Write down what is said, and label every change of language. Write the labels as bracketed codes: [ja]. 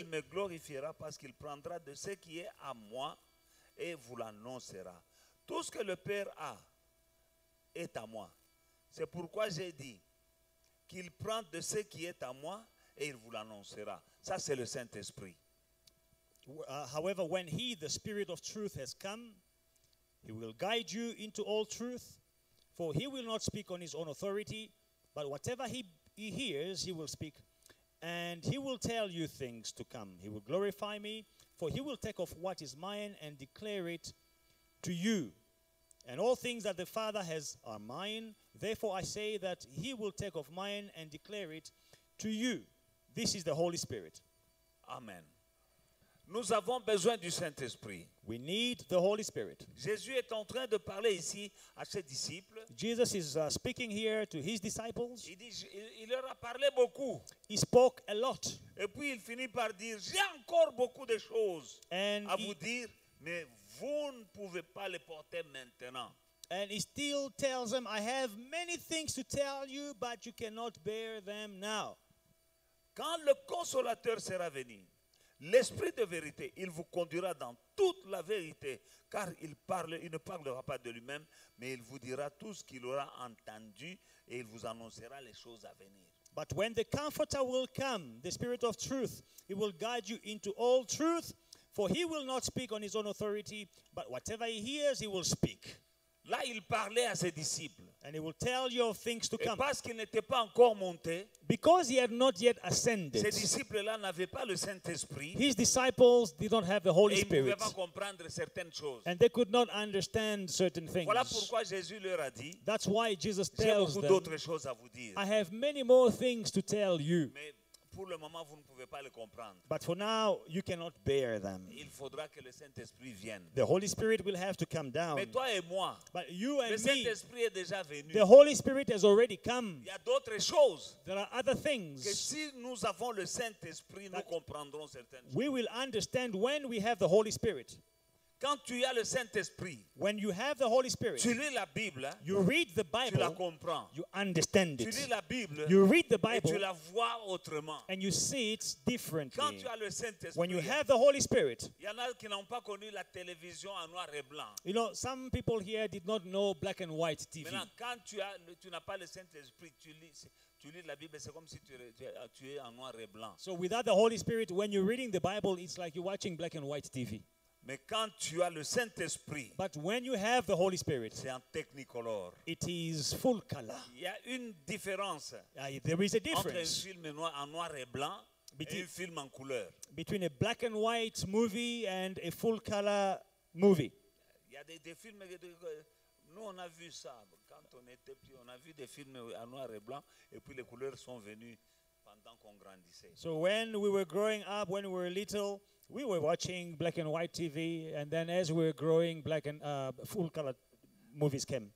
[fr] il me glorifiera parce qu'il prendra de ce qui est à moi et vous l'annoncera. Tout ce que le Père a est à moi. C'est pourquoi j'ai dit qu'il prend de ce qui est à moi et il vous l'annoncera. Ça, c'est le Saint-Esprit. [en] However, when he, the Spirit of truth, has come, he will guide you into all truth, for he will not speak on his own authority, but whatever he hears, he will speak, and he will tell you things to come. He will glorify me, for he will take of what is mine and declare it to you. And all things that the Father has are mine, therefore I say that he will take of mine and declare it to you. This is the Holy Spirit. [fr] Amen. Nous avons besoin du Saint-Esprit. [en] We need the Holy Spirit. [fr] Jésus est en train de parler ici à ses disciples. [en] Jesus is speaking here to his disciples. [fr] Il leur a parlé beaucoup. [en] He spoke a lot. [fr] Et puis il finit par dire, j'ai encore beaucoup de choses [en] and [fr] à vous dire, mais vous ne pouvez pas les porter maintenant. [en] And he still tells them, I have many things to tell you, but you cannot bear them now. [fr] Quand le Consolateur sera venu, l'Esprit de vérité, il vous conduira dans toute la vérité, car il ne parlera pas de lui-même, mais il vous dira tout ce qu'il aura entendu et il vous annoncera les choses à venir. [en] But when the Comforter will come, the Spirit of truth, he will guide you into all truth, for he will not speak on his own authority, but whatever he hears, he will speak. [fr] Là, il parlait à ses disciples. [en] And he will tell you of things to come. [fr] Et parce qu'il n'était pas encore monté, [en] because he had not yet ascended, [fr] ses disciples-là n'avaient pas le Saint-Esprit. [en] His disciples did not have the Holy Spirit. [fr] Ils ne pouvaient pas comprendre certaines choses. [en] And they could not understand certain things. [fr] Voilà pourquoi Jésus leur a dit, [en] that's why Jesus tells them, [fr] d'autres choses à vous dire. [en] I have many more things to tell you. [fr] Mais pour le moment, vous ne pouvez pas les comprendre. [en] But for now, you cannot bear them. [fr] Il faudra que le Saint-Esprit vienne. [en] The Holy Spirit will have to come down. [fr] Mais toi et moi, [en] but you and [fr] le Saint-Esprit [en] me, [fr] est déjà venu. [en] The Holy Spirit has already come. [fr] Il y a d'autres choses. [en] There are other things. [fr] Que si nous avons le Saint-Esprit, nous comprendrons certaines choses. [en] We will understand when we have the Holy Spirit. [fr] Quand tu as le Saint-Esprit, [en] when you have the Holy Spirit, [fr] tu lis la Bible, [en] you read the Bible, [fr] tu la comprends, [en] you understand it. [fr] Tu lis la Bible, [en] you read the Bible, [fr] et tu la vois autrement, [en] and you see it differently. [fr] Quand tu as le Saint-Esprit, [en] when you have the Holy Spirit, [fr] il y en a qui n'ont pas connu la télévision en noir et blanc. [en] You know, some people here did not know black and white TV. [fr] Maintenant, quand tu n'as pas le Saint-Esprit, tu lis la Bible, c'est comme si tu es en noir et blanc. [en] So without the Holy Spirit, when you're reading the Bible, it's like you're watching black and white TV. [fr] Mais quand tu as le Saint-Esprit, [en] but when you have the Holy Spirit, [fr] c'est en technicolor. [en] It is full color. [fr] Il y a une différence. [en] There is a difference. [fr] Entre un film en noir et blanc et un film en couleur. [en] Between a black and white movie and a full color movie. [fr] Il y a des films nous on a vu ça quand on était petit, on a vu des films en noir et blanc et puis les couleurs sont venues. pendant qu'on grandissait. [en] So when we were growing up, when we were little, we were watching black and white TV, and then as we were growing, black and full color movies came.